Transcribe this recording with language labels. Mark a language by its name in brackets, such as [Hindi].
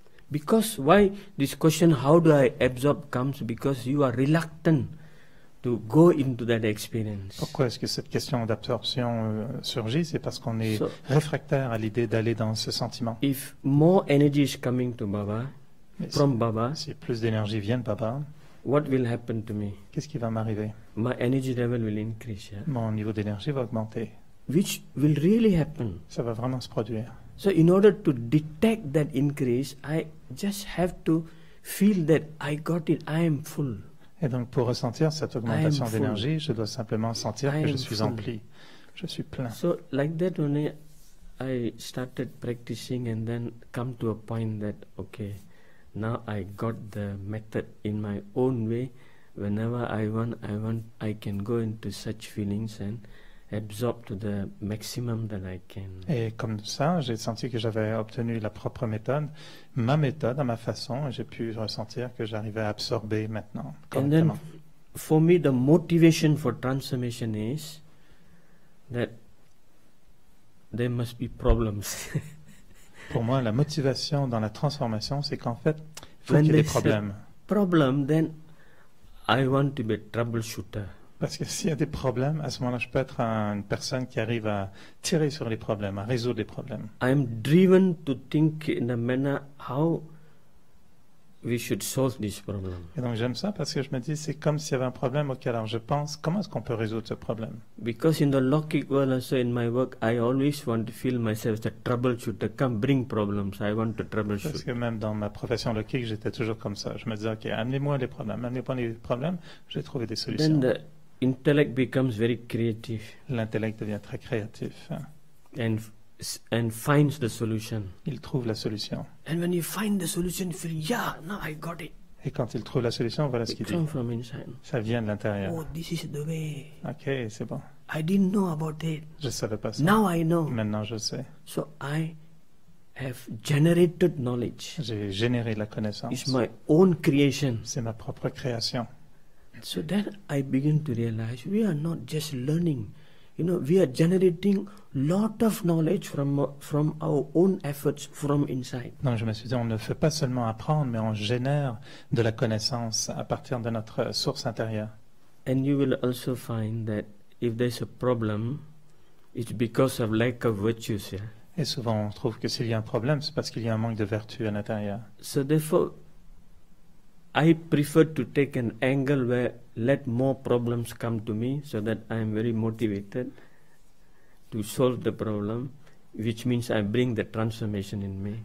[English] Because why this question, how do I absorb, comes because you are reluctant to go into that experience. [French] Pourquoi est-ce que cette question d'absorption surgit? C'est parce qu'on est réfractaire à l'idée d'aller dans ce sentiment. [English] If more energy is coming to Baba, from Baba, [French] si plus d'énergie vient de Baba, [English] what will happen to me? [French] Qu'est-ce qui va m'arriver? [English] My energy level will increase. Yeah? [French] Mon niveau d'énergie va augmenter. [English] Which will really happen? [French] Ça va vraiment se produire. [English] So in order to detect that increase, I just have to feel that I got it. I am full. [French] Et donc, pour ressentir cette augmentation d'énergie, je dois simplement sentir que je suis empli, je suis plein. [English] So, like that only, I started practicing and then come to a point that, okay, now I got the method in my own way. Whenever I want, I can go into such feelings and absorb to the maximum that I can. [French] Et comme ça, j'ai senti que j'avais obtenu la propre méthode, ma méthode, à ma façon, et j'ai pu ressentir que j'arrivais à absorber maintenant. [English] And then, for me, the motivation for transformation is that there must be problems. [French] Pour moi, la motivation dans la transformation, c'est qu'en fait, faut qu'il y ait des problèmes. [English] A problem, then I want to be a troubleshooter. [French] Parce que s'il y a des problèmes, à ce moment-là, je peux être une personne qui arrive à tirer sur les problèmes, à résoudre les problèmes. [English] I'm driven to think in a manner how we should solve this problem. [French] Et donc j'aime ça parce que je me dis, c'est comme s'il y avait un problème auquel je pense, comment est-ce qu'on peut résoudre ce problème? [English] Because in the Lockheed world, also in my work, I always want to feel myself as a troubleshooter, come bring problems, I want to troubleshoot. [French] Parce que même dans ma profession Lockheed, j'étais toujours comme ça. Je me disais, ok, amenez-moi les problèmes, je vais trouver des solutions. [English] Then the intellect becomes very creative. [French] L'intellect devient très créatif. [English] And finds the solution. [French] Il trouve la solution. [English] And when you find the solution, you feel, yeah, now I got it. [French] Et quand il trouve la solution, voilà ce qu'il dit. [English] It comes from inside. [French] Ça vient de l'intérieur. [English] Oh, this is the way. [French] Okay, c'est bon. [English] I didn't know about it. [French] Je savais pas ça. [English] Now I know. [French] Maintenant, je sais. [English] So I have generated knowledge. [French] J'ai généré la connaissance. [English] It's my own creation. [French] C'est ma propre création. [English] So then I begin to realize we are not just learning, you know, we are generating lot of knowledge from our own efforts from inside. [French] Donc je me suis dit, on ne fait pas seulement apprendre, mais on génère de la connaissance à partir de notre source intérieure. [English] And you will also find that if there's a problem, it's because of lack of virtues. Yeah? [French] Et souvent on trouve que s'il y a un problème, c'est parce qu'il y a un manque de vertus à l'intérieur. [English] So therefore, I prefer to take an angle where let more problems come to me so that I am very motivated to solve the problem, which means I bring the transformation in me.